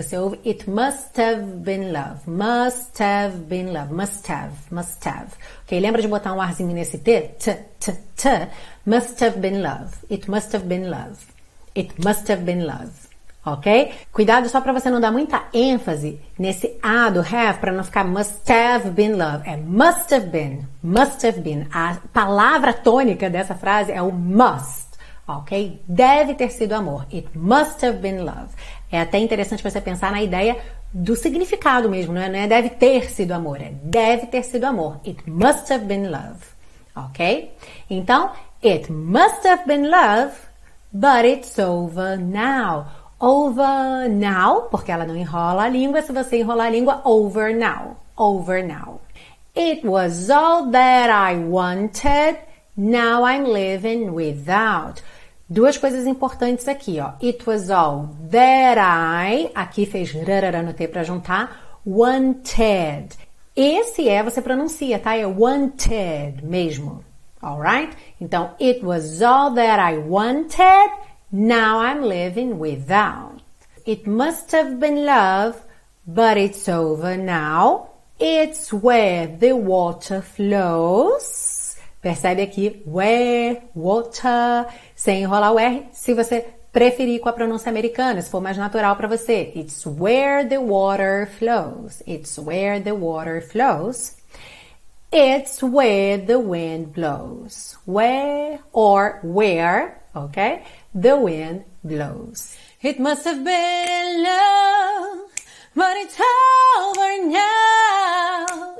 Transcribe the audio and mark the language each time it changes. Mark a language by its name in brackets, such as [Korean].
[Portuguese] Você ouve [English] It must have been love. Must have been love. Must have. Must have. Ok? [Portuguese] Lembra de botar um arzinho nesse T? [English] T, T, T. Must have been love. It must have been love. It must have been love. Ok? [Portuguese] Cuidado só para você não dar muita ênfase nesse A do have, para não ficar [English] must have been love. É must have been, must have been. [Portuguese] A palavra tônica dessa frase é o must, ok? Deve ter sido amor. [English] It must have been love. [Portuguese] É até interessante você pensar na ideia do significado mesmo, não é? Não é deve ter sido amor, é deve ter sido amor. [English] It must have been love, ok? Então, it must have been love, but it's over now. Over now, [Portuguese] porque ela não enrola a língua. Se você enrolar a língua, [English] over now. Over now. It was all that I wanted. Now I'm living without. [Portuguese] Duas coisas importantes aqui, ó. [English] It was all that I... [Portuguese] Aqui fez rarara no T pra juntar. Wanted. Esse é, você pronuncia, tá? É wanted mesmo. Alright? [English] Então, it was all that I wanted. Now I'm living without. It must have been love, but it's over now. It's where the water flows. [Portuguese] Percebe aqui, where, water, sem enrolar o R, se você preferir com a pronúncia americana, se for mais natural para você. [English] It's where the water flows. It's where the water flows. It's where the wind blows. Where or where, ok? The wind blows. It must have been love, but it's over now.